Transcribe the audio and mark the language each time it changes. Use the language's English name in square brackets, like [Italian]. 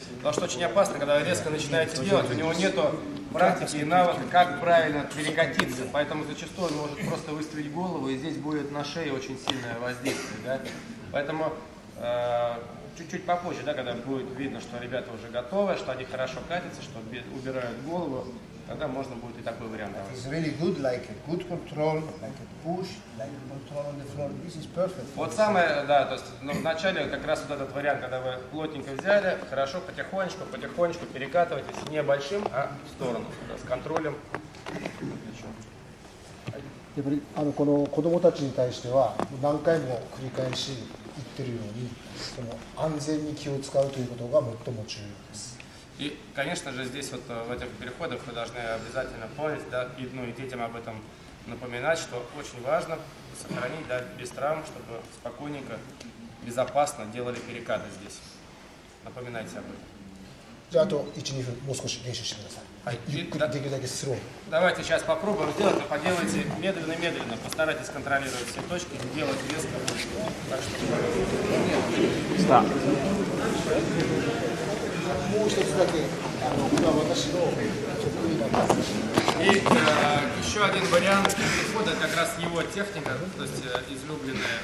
[Russian] Потому что очень опасно, когда резко начинаете делать, у него нету практики и навыка, как правильно перекатиться. Поэтому зачастую он может просто выставить голову, и здесь будет на шее очень сильное воздействие, да. Поэтому чуть-чуть попозже, да, когда будет видно, что ребята уже готовы, что они хорошо катятся, что убирают голову, тогда можно будет и такой вариант давать. [English] It's really good, like a good control, like a push, like control on the floor. This is perfect. [Russian] Вот самое, да, то есть, ну, вначале как раз вот этот вариант, когда вы плотненько взяли, хорошо, потихонечку, потихонечку перекатываетесь не большим, а в сторону, да, с контролем. [Japanese] やっぱりこの子どもたちに対しては何回も繰り返し言ってるように、その安全に気を使うということが最も重要です。 [Russian] И, конечно же, здесь вот в этих переходах вы должны обязательно помнить, да, и, ну, и детям об этом напоминать, что очень важно сохранить, да, без травм, чтобы спокойненько, безопасно делали перекаты здесь. Напоминайте об этом. [Japanese] じゃあ、あと 1-2 分、もう少し練習してください。はい。ゆっくりできるだけスロー。 [Russian] Давайте сейчас попробуем сделать, поделайте медленно-медленно, постарайтесь контролировать все точки, делать резко. Так что... [Japanese] もう一つだけ、私の得意だった。 [Russian] И еще один вариант перехода, как раз его техника, то есть излюбленная.